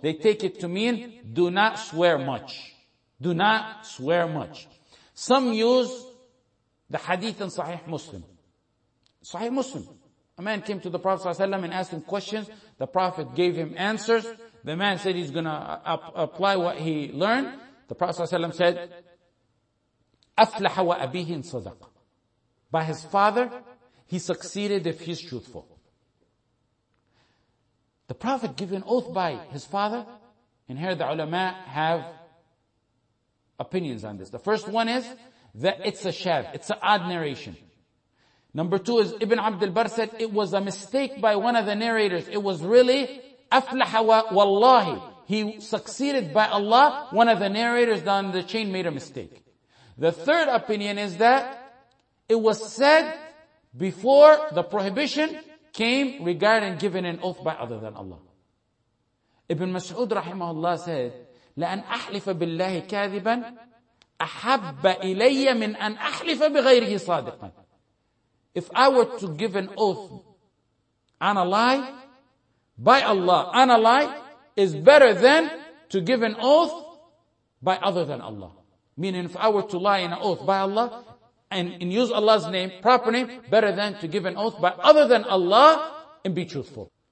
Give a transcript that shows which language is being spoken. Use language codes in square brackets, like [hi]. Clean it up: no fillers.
[en] They take it to mean, do not swear much. Do not swear much. Some use the hadith in Sahih Muslim. Sahih Muslim. A man came to the Prophet ﷺ and asked him questions. The Prophet gave him answers. The man said he's gonna apply what he learned. The Prophet ﷺ said, [ar] أَفْلَحَ وَأَبِيهِ صَدَقَ. [en] By his father, he succeeded if he's truthful. The Prophet gave an oath by his father, and here the ulama have opinions on this. The first one is that it's a shav, it's an odd narration. Number two is Ibn Abd al-Barr said it was a mistake by one of the narrators. It was really [ar] أَفْلَحَ وَاللَّهِ. [en] He succeeded by Allah. One of the narrators down the chain made a mistake. The third opinion is that it was said before the prohibition came regarding giving an oath by other than Allah. Ibn Mas'ud rahimahullah said, [ar] لَأَنْ أَحْلِفَ بِاللَّهِ كَاذِبًا أَحَبَّ إِلَيَّ مِنْ أَنْ أَحْلِفَ بِغَيْرِهِ صَادِقًا. [en] If I were to give an oath on a lie, by Allah, on a lie, is better than to give an oath by other than Allah. Meaning, if I were to lie in an oath by Allah and use Allah's name, proper name, better than to give an oath by other than Allah and be truthful.